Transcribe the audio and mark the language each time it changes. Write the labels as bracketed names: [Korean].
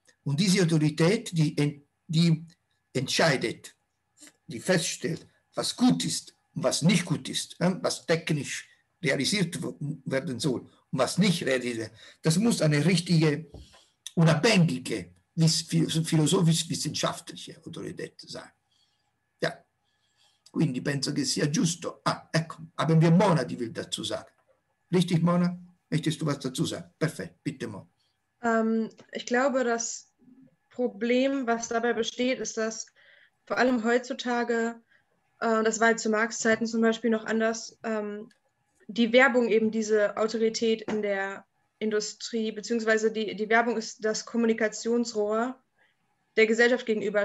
[German] Und diese Autorität, die entscheidet, die feststellt, was gut ist und was nicht gut ist, was technisch realisiert werden soll und was nicht realisiert wird, das muss eine richtige, unabhängige, philosophisch-wissenschaftliche Autorität sein. [Italian] Ja, quindi penso che sia giusto. Ah, ecco, [German] haben wir Mona, die will dazu sagen. Richtig, Mona? Möchtest du was dazu sagen? Perfekt, bitte, Mona. Ich glaube, dass Problem, was dabei besteht, ist, dass vor allem heutzutage, das war zu Marx-Zeiten zum Beispiel noch anders, die Werbung eben diese Autorität in der Industrie, beziehungsweise die Werbung ist das Kommunikationsrohr der Gesellschaft gegenüber.